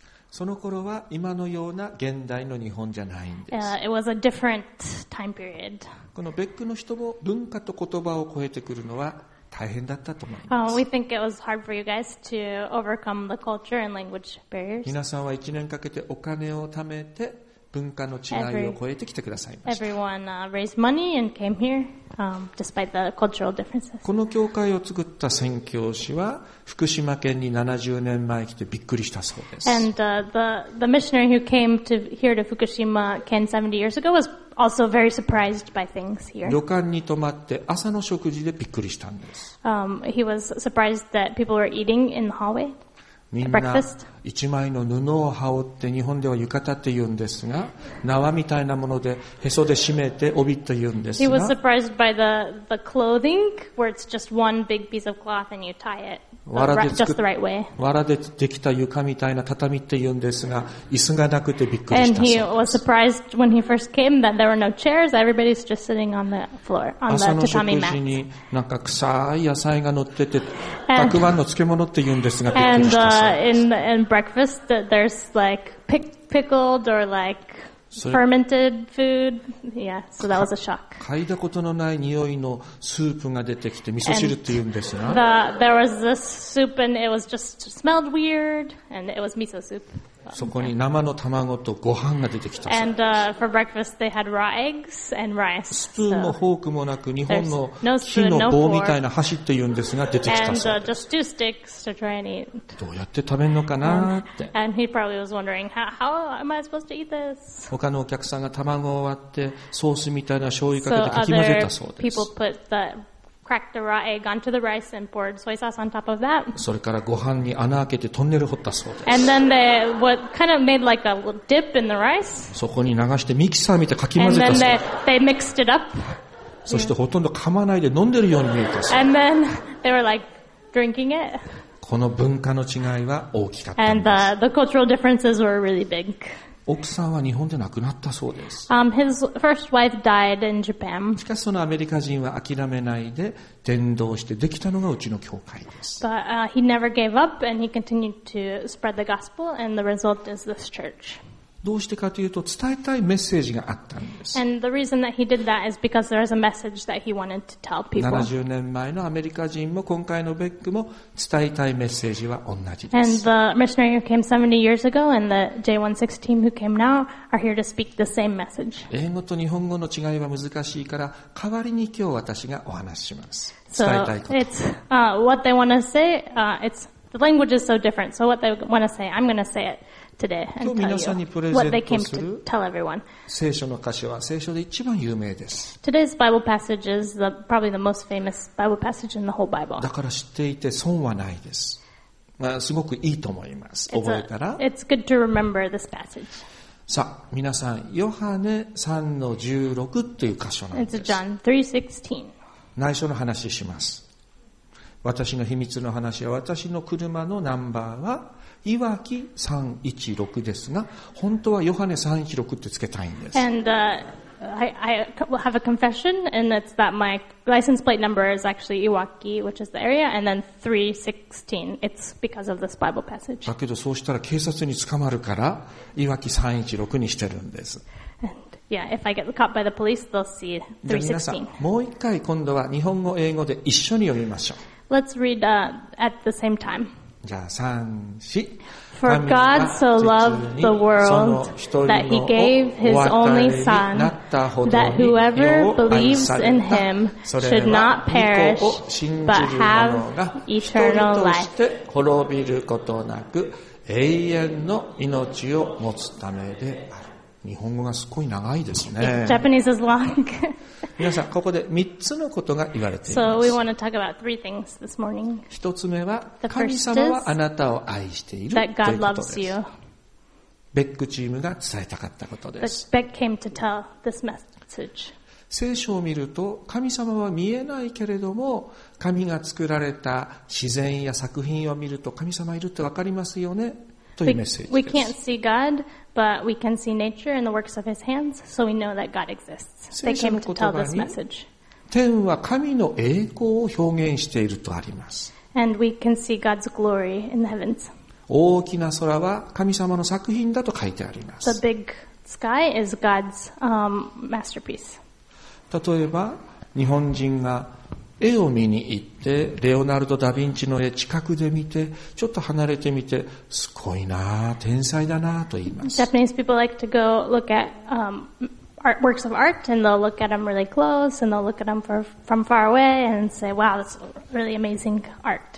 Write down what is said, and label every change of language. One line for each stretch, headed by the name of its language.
Japanese: その頃は今のような現代の日本じゃないんです。
English: It was a different time period.
Japanese: このベックの人も文化と言葉を超えてくるのは大変だったと思います。
English: We think it was hard for you guys to overcome the culture and language barriers.
Japanese: 皆さんは1年かけてお金を貯めて文化の違いを超えてきてくださいました。
English: Everyone raised money and came here, despite the cultural differences.
Japanese: この教会を作った宣教師は福島県に70年前来てびっくりしたそうです。
English: And the missionary who came to here to Fukushima Ken 70 years ago was also very surprised by things here.
Japanese: 旅館に泊まって朝の食事でびっくりしたんです。
English: He was surprised that people were eating in the hallway.
Japanese: みんな一枚の布を羽織って日本では浴衣って言うんですが縄みたいなものでへそで締めて帯って言うんですが
English: He was surprised by the clothing where it's just one big piece of cloth and you tie it just the right way.
Japanese: わらでできた床みたいな畳って言うんですが椅子がなくてびっくりしたそうです。
English: And he was surprised when he first came that there were no chairs. Everybody's just sitting on the floor, on the tatami mat.
Japanese: 朝の食事になんか臭い野菜が乗っててたくあんの漬物って言うんですがびっくりしたそうです。
English: In breakfast, there's like pickled or like fermented food. Yeah, so that was a shock.
Japanese: 嗅いだことのない匂いのスープが出てきて味噌汁って言うんですが。
English: There was this soup and it was just smelled weird and it was miso soup.
Japanese: そこに生の卵とご飯が出てきたそうです。
English: And for breakfast they had raw eggs and rice.
Japanese: スプーンもフォークもなく日本の木の棒みたいな箸って言うんですが出てきたそうです。
English: And just two sticks to try and eat.
Japanese: どうやって食べるのかなって。
English: And he probably was wondering how am I supposed to eat this?
Japanese: 他のお客さんが卵を割ってソースみたいな醤油かけてかき混ぜたそうです。
English: People put the cracked the raw egg onto the rice and poured soy sauce on top of that.
Japanese: それからご飯に穴開けてトンネル掘ったそうです。
English: And then they what kind of made like a little dip in the rice.
Japanese: そこに流してミキサー見てかき混ぜたそうです。
English: And then they mixed it up.
Japanese: そしてほとんど噛まないで飲んでるように見えたそうです。
English: And then they were like drinking it.
Japanese: この文化の違いは大きかったんです。
English: And the cultural differences were really big.
Japanese: 奥さんは日本で亡くなったそうです。
English: His first wife died in Japan.
Japanese: しかしそのアメリカ人は諦めないで伝道してできたのがうちの教会です。
English: But, he never gave up and he continued to spread the gospel and the result is this church.
Japanese: どうしてかというと伝えたいメッセージがあったんです。
English: And the reason that he did that is because there is a message that he wanted to tell people.
Japanese: 70年前のアメリカ人も今回のベックも伝えたいメッセージは同じです。
English: And the missionary who came 70 years ago and the J16 team who came now are here to speak the same message.
Japanese: 英語と日本語の違いは難しいから代わりに今日私がお話します。伝えたいこと。
English: So it's what they want to say. It's the language is so different. So what they want to say, I'm going to say it.
Japanese: 今日皆さんにプレゼントする聖書の箇所は聖書で一番有名です。
English: Today's Bible passage is probably the most famous Bible passage in the whole Bible.
Japanese: だから知っていて損はないです。まあ、すごくいいと思います。覚えたら。
English: It's good to remember this passage.
Japanese: さあ、皆さん、ヨハネ 3-16 という箇所なんです。
English: It's John 3:16.
Japanese: 内緒の話します。私の秘密の話は、私の車のナンバーはいわき316ですが、本当はヨハネ316ってつけたいんです。
English: And、I have a confession, and it's that my license plate number is actually Iwaki, which is the area, and then 316. It's because of this Bible passage.
Japanese: だけどそうしたら警察に捕まるから、いわき316にしてるんです。
English: Yeah, if I get caught by the police, they'll see 316.
Japanese: じゃあ皆さん、もう一回今度は日本語、英語で一緒に読みましょう。
English: Let's read, at the same time.
Japanese: じゃあ3、4。
English: For God so loved the world that he gave his only son, that whoever believes in him should not perish, but have eternal life.
Japanese: 滅びることなく永遠の命を持つためである。日本語がすごい長いですね。
English: Japanese is long.
Japanese: 皆さん、ここで3つのことが言われています。
English: So we want to talk about three things this morning.
Japanese: 1つ目は、神様はあなたを愛しているということです。ベックチームが伝えたかったことです。
English: ベック came to tell this message.
Japanese: 聖書を見ると、神様は見えないけれども、神が作られた自然や作品を見ると、神様いるってわかりますよね、というメッセージです。
English: We can't see God. But we can see nature and the works of His hands, so we know that God exists. They came to tell this message.
Japanese: 天は神の栄光を表現しているとあります。
English: And we can see God's glory in the heavens.
Japanese: 大きな空は神様の作品だと書いてあります。
English: The big sky is God's, masterpiece.
Japanese: 例えば、日本人が絵を見に行って、レオナルド・ダ・ヴィンチの絵近くで見て、ちょっと離れてみて、すごいなあ、天才だなあと言います。
English: Japanese people like to go look at, works of art, and they'll look at them really close, and they'll look at them from far away, and say, wow, that's really amazing art.